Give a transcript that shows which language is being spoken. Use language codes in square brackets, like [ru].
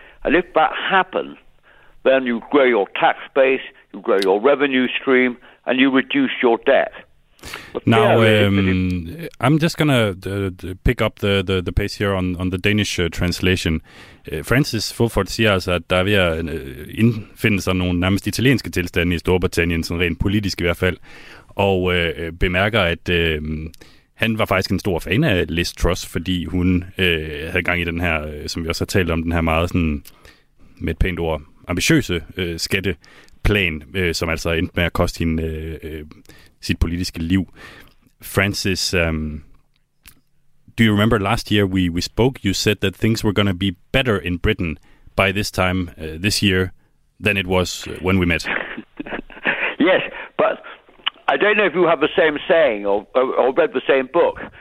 [en] And if that happened, then you grow your tax base, you grow your revenue stream, and you reduce your debt. Now, I'm just going to pick up the pace here on the Danish translation. [da] Francis Fulford siger altså, at der er ved at indfinde sig nogle nærmest italienske tilstande i Storbritannien, sådan rent politisk i hvert fald, og bemærker, at Han var faktisk en stor fan af Liz Truss, fordi hun havde gang i den her, som vi også har talt om, den her meget sådan, med et pænt ord, ambitiøse skatteplan, som altså endte med at koste hende sit politiske liv. [en] Francis, do you remember last year we spoke? You said that things were going to be better in Britain by this time this year than it was when we met. Yes, but I don't know if you have the same saying or read the same book.